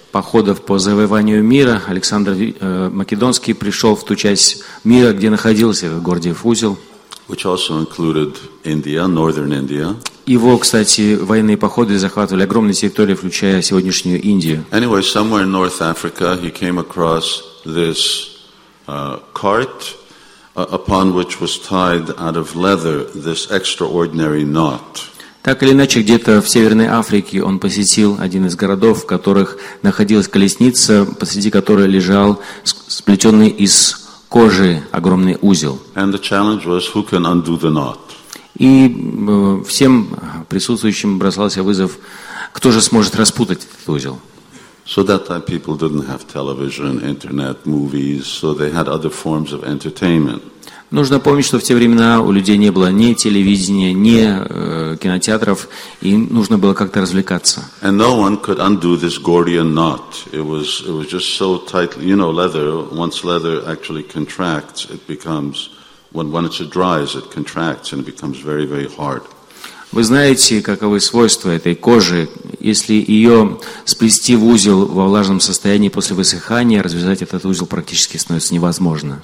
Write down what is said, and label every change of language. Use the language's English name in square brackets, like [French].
[Russian] Походов по завоеванию мира, Александр Македонский пришел в ту часть мира, где находился Гордиев узел. [English] Which also included India, Northern India. [Russian] Его, кстати, военные походы захватывали огромные территории, включая сегодняшнюю Индию. [English] Anyway, somewhere in North Africa he came across this cart upon which was tied out of leather this extraordinary knot. [Russian] Так или иначе, где-то в Северной Африке он посетил один из городов, в которых находилась колесница, посреди которой лежал сплетенный из кожи огромный узел. [English] And the challenge was, who can undo the knot? [Russian] И всем присутствующим бросался вызов, кто же сможет распутать этот узел. [English] So that time people didn't have television, internet, movies, so they had other forms of entertainment. [Russian] Нужно помнить, что в те времена у людей не было ни телевидения, ни кинотеатров, и нужно было как-то развлекаться. [English] And no one could undo this Gordian knot. It was just so tight. You know, leather, once leather actually contracts, it becomes, when it dries, it contracts and it becomes very, very hard. [Russian] Вы знаете, каковы свойства этой кожи, если ее сплести в узел во влажном состоянии после высыхания, развязать этот узел практически становится невозможно.